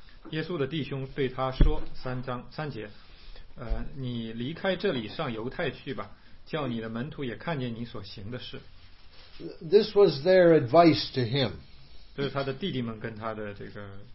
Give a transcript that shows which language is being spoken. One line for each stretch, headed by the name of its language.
Chinese: 耶稣的弟兄对他说，三节，你离开这里上犹太去吧，叫你的门徒也看见你所行的事。
English: This was their advice to him.
Chinese: 这是他的弟弟们跟他的这个。